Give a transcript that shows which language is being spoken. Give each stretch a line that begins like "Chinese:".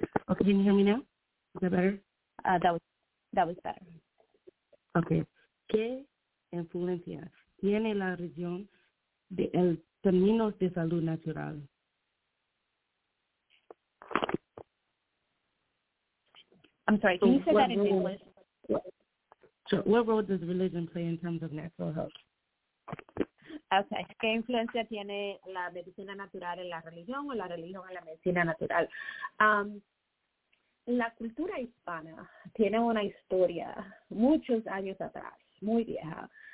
English: Okay, can you hear me now? Is that better? That was better. Okay.
Spanish: ¿Qué influencia tiene la región de el términos de salud natural?
English: I'm sorry, can you say that in English? What role does religion play in terms of natural health? Okay.
Spanish: ¿Qué influencia tiene la medicina natural en la religión o la religión en la medicina natural? La cultura hispana tiene una historia muchos años atrás, muy vieja.